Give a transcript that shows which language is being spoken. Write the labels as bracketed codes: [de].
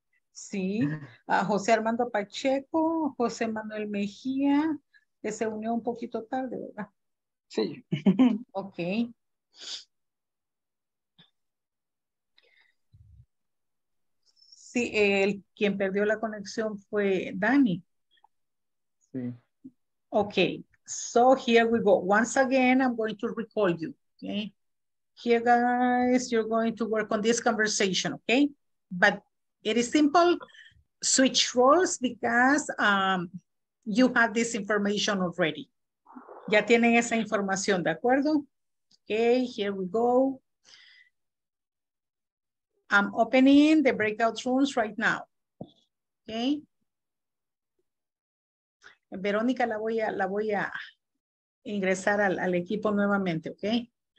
[es] Sí, a José Armando Pacheco, José Manuel Mejía, que se unió un poquito tarde, ¿verdad? Sí. Ok. Sí, el quien perdió la conexión fue Dani. Sí. [en] Ok, so here we go. Once again, I'm going to recall you, okay? Here, guys, you're going to work on this conversation, okay? But it is simple, switch roles because you have this information already. [es] Ya tienen esa información, ¿de acuerdo? [en] Okay, here we go. I'm opening the breakout rooms right now, okay? [es] Verónica, la voy a ingresar al equipo nuevamente, okay?